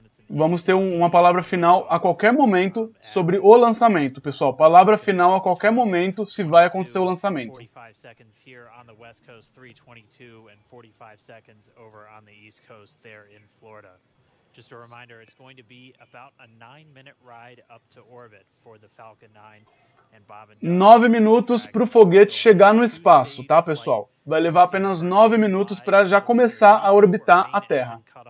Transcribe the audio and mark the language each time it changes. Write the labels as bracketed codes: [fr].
[pt] Vamos ter uma palavra final a qualquer momento sobre o lançamento, pessoal. Palavra final a qualquer momento se vai acontecer o lançamento. [en] 45 seconds here on the West Coast, 322, and 45 seconds over on the East Coast there in Florida. Just a reminder, it's going to be about a 9-minute ride up to orbit for the Falcon 9. [pt] 9 minutos para o foguete chegar no espaço, tá, pessoal? Vai levar apenas 9 minutos para já começar a orbitar a Terra.